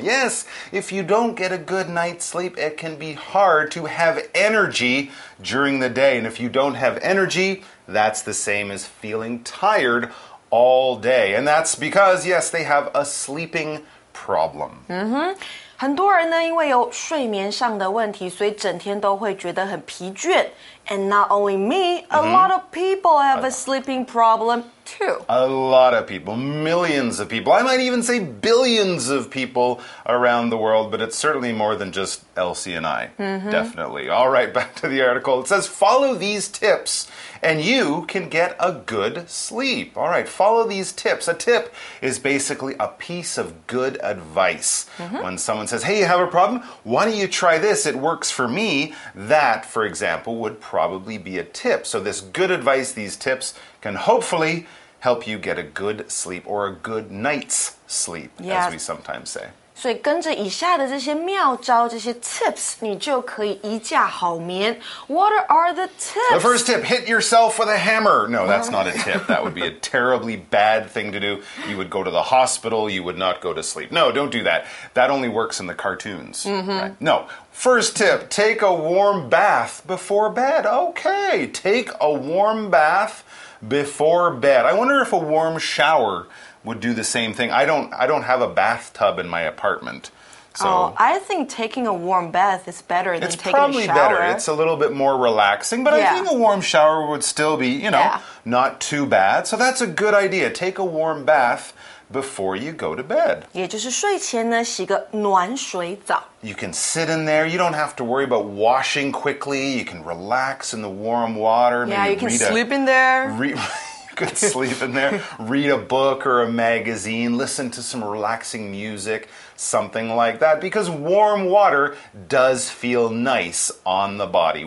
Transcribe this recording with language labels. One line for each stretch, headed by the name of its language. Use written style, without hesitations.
English: Yes, if you don't get a good night's sleep, it can be hard to have energy during the day. And if you don't have energy, that's the same as feeling tired all day. And that's because, yes, they have a sleeping problem. Mm-hmm.
Chinese: 很多人呢，因为有睡眠上的问题，所以整天都会觉得很疲倦。
English: And not only me, a lot of people have a sleeping problem too. A lot of people, millions of people. I might even say billions of people around the world, but it's certainly more than just Elsie and I. Mm-hmm. Definitely. All right, back to the article. It says, follow these tips and you can get a good sleep. All right, follow these tips. A tip is basically a piece of good advice. Mm-hmm. When someone says, hey, you have a problem? Why don't you try this? It works for me. That, for example, would probably be a tip. So this good advice, these tips, can hopefully help you get a good sleep or a good night's sleep, yeah. As we sometimes say.
Chinese: 所以跟着以下的这些妙招，这些 tips, 你就可以一觉好眠。
English: What are the tips? The first tip, hit yourself with a hammer. No, that's not a tip. That would be a terribly bad thing to do. You would go to the hospital, you would not go to sleep. No, don't do that. That only works in the cartoons. Mm-hmm. Right? No. First tip, take a warm bath before bed. Okay, take a warm bath before bed. I wonder if a warm shower would do the same thing. I don't have a bathtub in my apartment. So I think taking a warm bath is better than taking a shower. It's probably better. It's a little bit more relaxing, but yeah. I think a warm shower would still be, you know, not too bad. So that's a good idea. Take a warm bath before you go to bed.
Chinese: 也就是睡前呢，洗个暖水澡。
English: You can sit in there. You don't have to worry about washing quickly. You can relax in the warm water. Yeah, you can sleep in there. Could sleep in there, read a book or a magazine, listen to some relaxing music, something like that. Because warm water does feel nice on the body.